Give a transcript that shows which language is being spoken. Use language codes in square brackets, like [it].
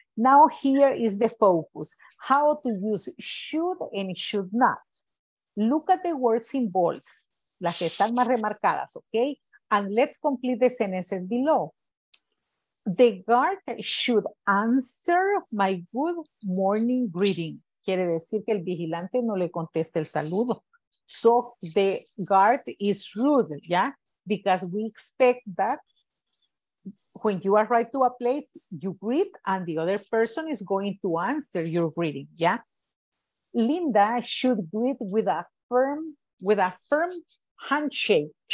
[en] Now here is the focus, how to use should and should not. Look at the word symbols, [es] las que están más remarcadas, [en] okay? And let's complete the sentences below. The guard should answer my good morning greeting. [es] Quiere decir que el vigilante no le conteste el saludo. [en] So the guard is rude, yeah? Because we expect that when you arrive to a place, you greet and the other person is going to answer your greeting, yeah? Linda should greet with a firm handshake.